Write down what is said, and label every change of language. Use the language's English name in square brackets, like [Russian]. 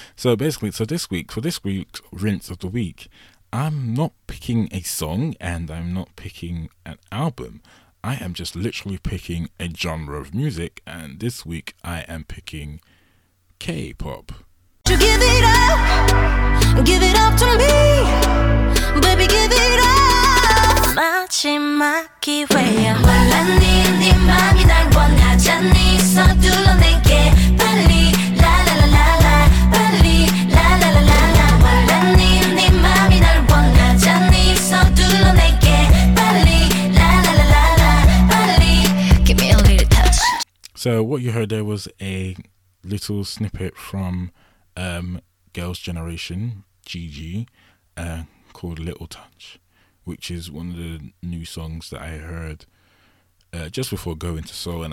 [English] So basically, so this week, for this week's rinse of the week, I'm not picking a song and I'm not picking an album. I am just literally picking a genre of music, and this week I am picking K-pop. So give it up, give it up to me, baby, give it up. [Korean] 마지막 기회야. 말란 네 네 맘이 날 원하잖니. 서둘러 내게 빨리 라라라라라 빨리 라라라라라. 말란 네 네 맘이 날 원하잖니. 서둘러 내게 빨리 라라라라라 빨리. [English] Give me a little touch. So what you heard there was a little snippet from Girls' Generation, GG, called Little Touch, which is one of the new songs that I heard just before going to Seoul.